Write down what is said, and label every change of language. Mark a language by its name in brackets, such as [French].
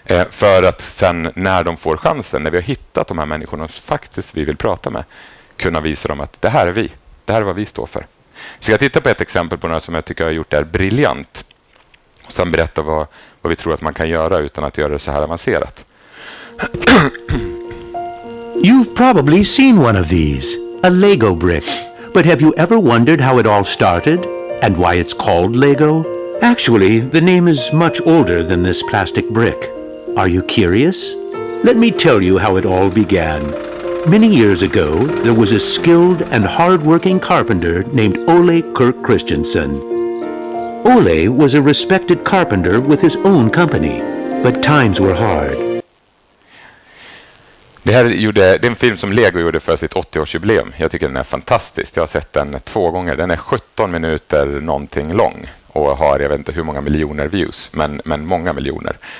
[Swedish] För att sen när de får chansen, när vi har hittat de här människorna faktiskt vi vill prata med, kunna visa dem att det här är vi. Det här är vad vi står för. Så jag tittar på ett exempel på något som jag tycker har gjort är briljant. Och sen berätta vad vi tror att man kan göra utan att göra det så här avancerat. [English] You've probably seen one of these, a Lego brick. But have you ever wondered how it all started and why it's called Lego? Actually, the name is much older than this plastic brick. Are you curious? Let me tell you how it all began. Many years ago, there was a skilled and hard-working carpenter named Ole Kirk Christensen. Ole was a respected carpenter with his own company, but times were hard. [Swedish] Det här det är en film som Lego gjorde för sitt 80-årsjubileum. Jag tycker den är fantastisk. Jag har sett den två gånger. Den är 17 minuter någonting lång och har, jag vet inte hur många miljoner views, men många miljoner.